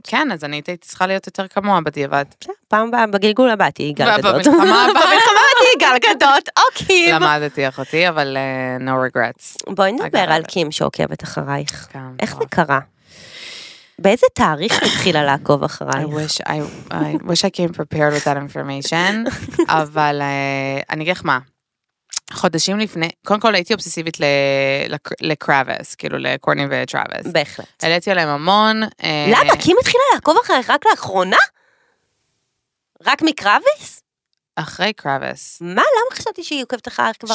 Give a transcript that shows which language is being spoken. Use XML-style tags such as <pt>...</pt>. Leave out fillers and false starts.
<he>כן, אז אני הייתי צריכה להיות יותר כמוה בדיעבד. פעם הבאה, בגלגול הבא, תהיה גל גדות. במלחמה הבאה תהיה גל גדות, או קים. למדתי אחותי, אבל</he> <en>no regrets.</en> <he>בואי נדבר על קים שעוקבת אחרייך. איך זה קרה? באיזה תאריך התחילה לעקוב אחרייך?</he> <en>I wish I came prepared with that information,</en> <he>אבל אני אגיד לך מה. חודשים לפני, קודם כל הייתי אובססיבית לקראביס, כאילו לקורני וטראביס. בהחלט. העליתי עליהם המון. למה, קים התחילה לעקוב אחריך רק לאחרונה? רק מקראביס? אחרי קראביס. מה, למה חשבתי שהיא עוקבת אחר כבר</he>